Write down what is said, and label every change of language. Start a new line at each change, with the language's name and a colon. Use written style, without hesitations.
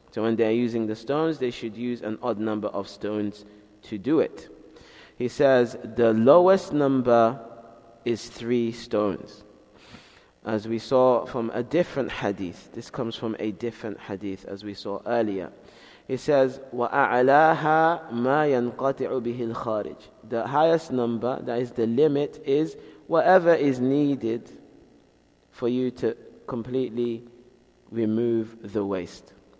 English: So when they're using the stones, they should use an odd number of stones to do it. He says, the lowest number is 3 stones. As we saw from a different hadith, this comes from a different hadith as we saw earlier. He says,
Arabic: وَأَعْلَاهَا مَا يَنْقَطِعُ بِهِ الْخَارِجِ.
English: The highest number, that is the limit, is whatever is needed for you to completely remove the waste.